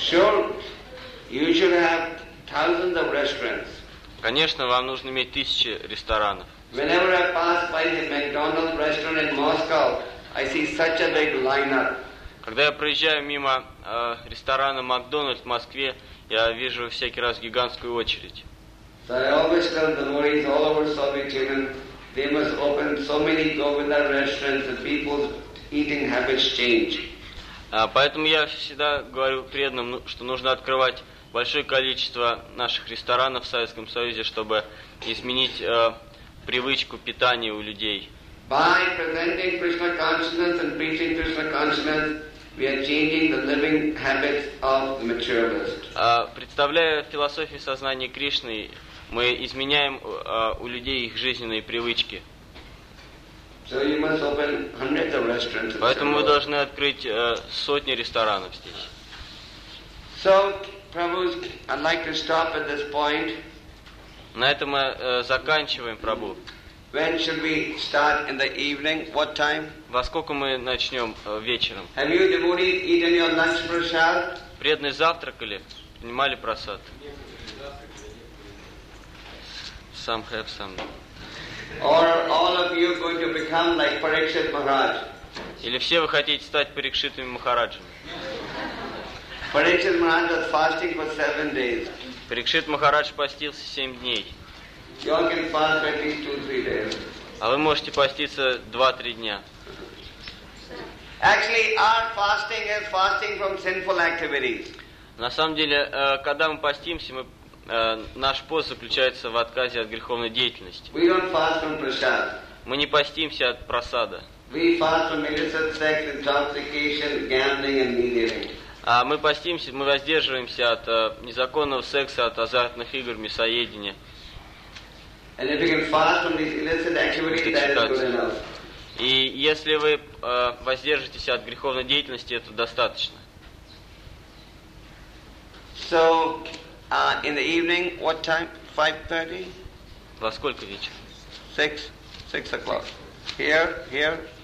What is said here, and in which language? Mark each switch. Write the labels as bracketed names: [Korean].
[English] Sure, you should have thousands of restaurants. [Russian] Конечно, вам нужно иметь тысячи ресторанов. [English] Whenever I pass by the McDonald's restaurant in Moscow, I see such a big lineup. [Russian] Когда я проезжаю мимо ресторана McDonald's в Москве, я вижу всякий раз гигантскую очередь. [English] So I always tell the devotees all over Soviet Union, they must open so many Govinda restaurants that people's eating habits change. [Russian] Поэтому я всегда говорю преданным, что нужно открывать большое количество наших ресторанов в Советском Союзе, чтобы изменить привычку питания у людей. [English] By presenting Krishna consciousness and preaching Krishna consciousness, we are changing the living habits of the materialist. [Russian] Представляя философию сознания Кришны, мы изменяем у людей их жизненные привычки. [English] So you must open hundreds of restaurants. [Russian] Поэтому мы должны открыть сотни ресторанов здесь. [English] So, Prabhu, I'd like to stop at this point. [Russian] На этом мы заканчиваем, Прабху. [English] When should we start in the evening? What time? [Russian] Во сколько мы начнем вечером? [English] Have you devotees eaten your lunch prasad? [Russian] Преданные завтракали, принимали прасад. [English] Some have some. Or all of you going to become like Parikshit Maharaj? [Russian] Или все вы хотите стать Парикшитами Махараджами? [English] Parikshit Maharaj was fasting for 7 days. [Russian] Парикшит Махарадж постился 7 дней. [English] You can fast at least 2-3 days. [Russian] А вы можете поститься 2-3 дня. [English] Actually, our fasting is fasting from sinful activities. [Russian] На самом деле, когда мы постимся, мы, наш пост заключается в отказе от греховной деятельности. [English] We don't fast from prasad. [Russian] Мы не постимся от просада. [English] We fast from illicit sex, intoxication, gambling and mediating. [Russian] А мы постимся, мы воздерживаемся от незаконного секса, от азартных игр, мясоедения. [English] And if you can fast from these illicit activities, that is good enough. [Russian] И если вы воздержитесь от греховной деятельности, это достаточно. [English] So, in the evening, what time? 5:30? [Russian] Во сколько вечер? [English] 6 o'clock. Here?